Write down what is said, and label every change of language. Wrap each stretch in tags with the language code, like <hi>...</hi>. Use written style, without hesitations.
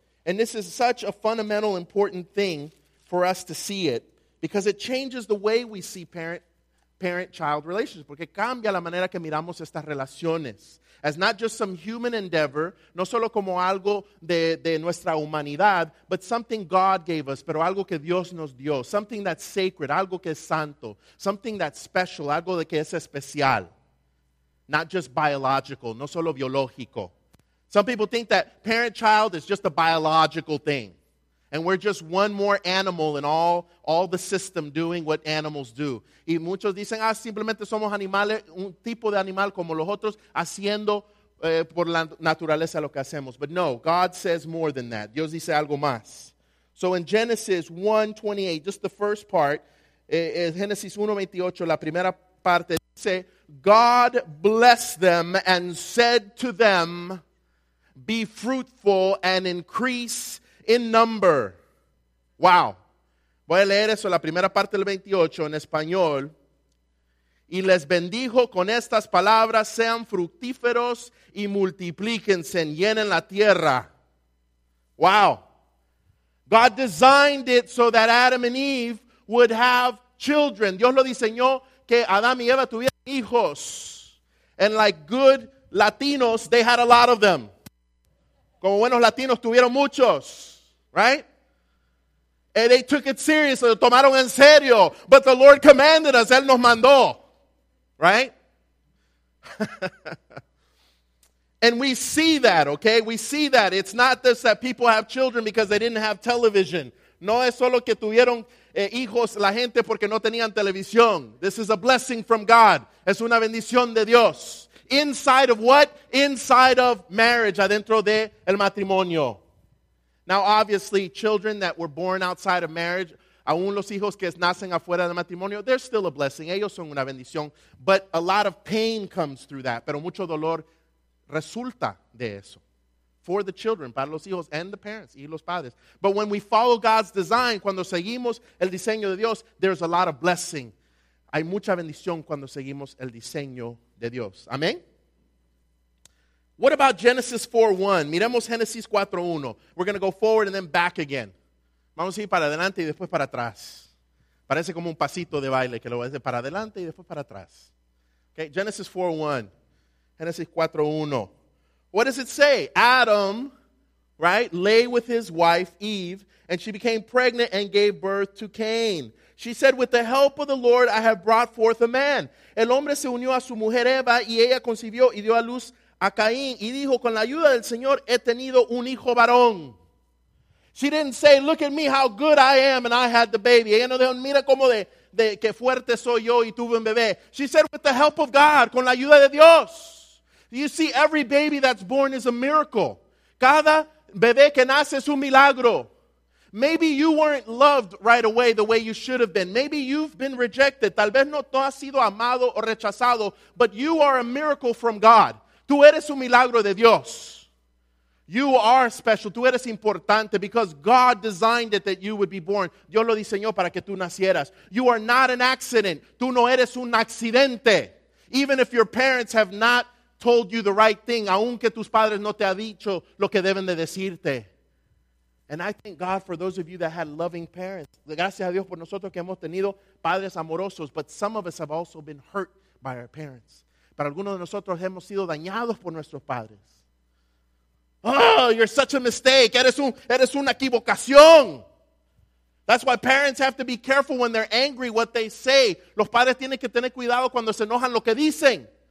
<en>And this is such a fundamental, important thing for us to see it because it changes the way we see parent-child relationships.</en> <es>Porque cambia la manera que miramos estas relaciones.</es> <en>As not just some human endeavor,</en> <es>no solo como algo de nuestra humanidad,</es> <en>but something God gave us,</en> <es>pero algo que Dios nos dio,</es> <en>something that's sacred,</en> <es>algo que es santo,</es> <en>something that's special,</en> <es>algo de que es especial.</es> <en>Not just biological,</en> <es>no solo biológico.</es> <en>Some people think that parent-child is just a biological thing, and we're just one more animal in all the system doing what animals do.</en> <es>Y muchos dicen, simplemente somos animales, un tipo de animal como los otros, haciendo por la naturaleza lo que hacemos.</es> <en>But no, God says more than that.</en> <es>Dios dice algo más.</es> <en>So in Genesis 1:28, just the first part, Genesis 1:28,</en> <es>la primera parte dice,</es> <en>God blessed them and said to them, be fruitful and increase in number. Wow.</en> <es>Voy a leer eso, la primera parte del 28 en español. Y les bendijo con estas palabras, sean fructíferos y multiplíquense, llenen la tierra.</es> <en>Wow. God designed it so that Adam and Eve would have children.</en> <es>Dios lo diseñó que Adam y Eva tuvieran hijos.</es> <en>And like good Latinos, they had a lot of them.</en> <es>Como buenos Latinos tuvieron muchos.</es> <en>Right? And they took it seriously.</en> <es>Lo tomaron en serio.</es> <en>But the Lord commanded us.</en> <es>Él nos mandó.</es> <en>Right? And we see that, okay? We see that. It's not just that people have children because they didn't have television.</en> <es>No es solo que tuvieron hijos la gente porque no tenían televisión.</es> <en>This is a blessing from God.</en> <es>Es una bendición de Dios.</es> <en>Inside of what? Inside of marriage.</en> <es>Adentro de el matrimonio.</es> <en>Now, obviously, children that were born outside of marriage,</en> <es>aún los hijos que nacen afuera del matrimonio,</es> <en>they're still a blessing.</en> <es>Ellos son una bendición.</es> <en>But a lot of pain comes through that.</en> <es>Pero mucho dolor resulta de eso.</es> <en>For the children,</en> <es>para los hijos</es> <en>and the parents,</en> <es>y los padres.</es> <en>But when we follow God's design,</en> <es>cuando seguimos el diseño de Dios,</es> <en>there's a lot of blessing.</en> <es>Hay mucha bendición cuando seguimos el diseño de Dios.</es> <en>Amén. What about Genesis 4:1?</en> <es>Miremos Genesis 4:1.</es> <en>We're going to go forward and then back again.</en> <es>Vamos a ir para adelante y después para atrás. Parece como un pasito de baile que lo va a hacer para adelante y después para atrás.</es> <en>Okay, Genesis 4:1. Genesis 4:1. What does it say? Adam, right, lay with his wife Eve, and she became pregnant and gave birth to Cain. She said, with the help of the Lord, I have brought forth a man.</en> <es>El hombre se unió a su mujer Eva y ella concibió y dio a luz a Caín y dijo, con la ayuda del Señor he tenido un hijo varón.</es> <en>She didn't say, look at me, how good I am, and I had the baby.</en> <es>Ella no dijo, mira cómo de qué fuerte soy yo y tuve un bebé.</es> <en>She said, with the help of God,</en> <es>con la ayuda de Dios.</es> <en>You see, every baby that's born is a miracle.</en> <es>Cada bebé que nace es un milagro.</es> <en>Maybe you weren't loved right away the way you should have been. Maybe you've been rejected.</en> <es>Tal vez no has sido amado o rechazado,</es> <en>but you are a miracle from God.</en> <es>Tú eres un milagro de Dios.</es> <en>You are special.</en> <es>Tú eres importante</es> <en>because God designed it that you would be born.</en> <es>Dios lo diseñó para que tú nacieras.</es> <en>You are not an accident.</en> <es>Tú no eres un accidente.</es> <en>Even if your parents have not told you the right thing,</en> <es>aunque tus padres no te ha dicho lo que deben de decirte.</es> <en>And I thank God for those of you that had loving parents.</en> <es>Gracias a Dios por nosotros que hemos tenido padres amorosos.</es> <en>But some of us have also been hurt by our parents.</en> <es>Pero algunos de nosotros hemos sido dañados por nuestros padres.</es> <en>Oh, you're such a mistake.</en> <es>Eres una equivocación.</es> <en>That's why parents have to be careful when they're angry what they say.</en> <es>Los padres tienen que tener cuidado cuando se enojan lo que dicen.</es>